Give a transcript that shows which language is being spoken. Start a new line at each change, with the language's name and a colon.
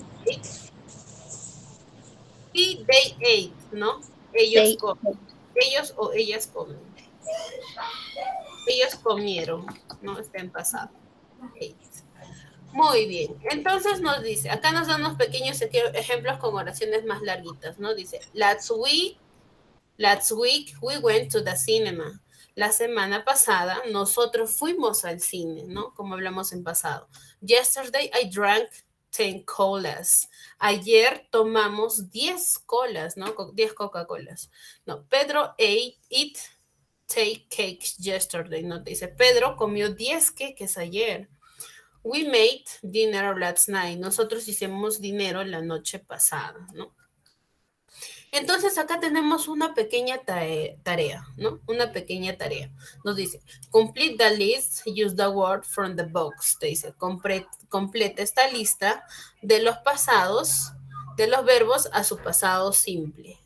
Spanish: Ate. Y
English: they ate.
Spanish: ¿No? Ellos they comen. Ellos o ellas comen. Ellos comieron. No está en pasado. Muy bien. Entonces nos dice, acá nos dan unos pequeños ejemplos con oraciones más larguitas, ¿no? Dice,
English: last week we went to the cinema.
Spanish: La semana pasada nosotros fuimos al cine, ¿no? Como hablamos en pasado.
English: Yesterday I drank 10 colas.
Spanish: Ayer tomamos 10 colas, ¿no? 10 Coca-Colas.
English: No, Pedro ate 10 cakes yesterday, ¿no?
Spanish: Te dice, Pedro comió 10 queques ayer.
English: We made dinner last night.
Spanish: Nosotros hicimos dinero la noche pasada, ¿no? Entonces, acá tenemos una pequeña tarea, ¿no? Una pequeña tarea. Nos dice,
English: complete the list, use the word from the box.
Spanish: Te dice, complete esta lista de los pasados, de los verbos a su pasado simple.